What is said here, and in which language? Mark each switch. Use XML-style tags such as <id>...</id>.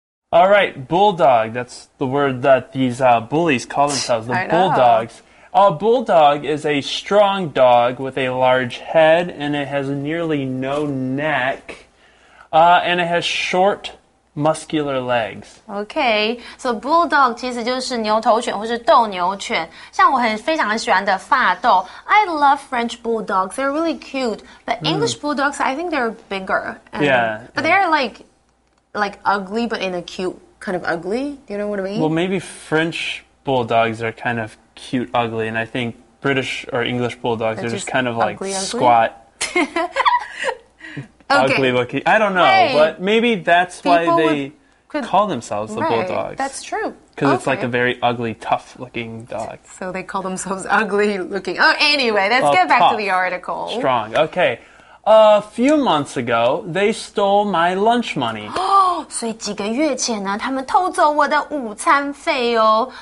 <en>Alright, bulldog, that's the word that these bullies call themselves, the bulldogs. A bulldog is a strong dog with a large head, and it has nearly no neck, and it has shortmuscular legs. Okay, so</en> <zh>bulldog 其实就是牛头犬或是斗牛犬。像我很非常喜欢的法斗。</zh> <en>I love French bulldogs. They're really cute. But English bulldogs, I think they're bigger. But they're like ugly, but in a cute kind of ugly. You know what I mean? Well, maybe French bulldogs are kind of cute, ugly. And I think British or English bulldogs are just kind of like ugly, squat. Okay. Ugly looking. I don't know, but maybe that's why they call themselves the bulldogs. That's true. Because it's like a very ugly, tough looking dog. So they call themselves ugly looking. Oh, anyway, let's get back to the article. Strong. Okay. A few months ago, they stole my lunch money.</en> <zh>So 几个月前呢，他们偷走我的午餐费哦。</zh>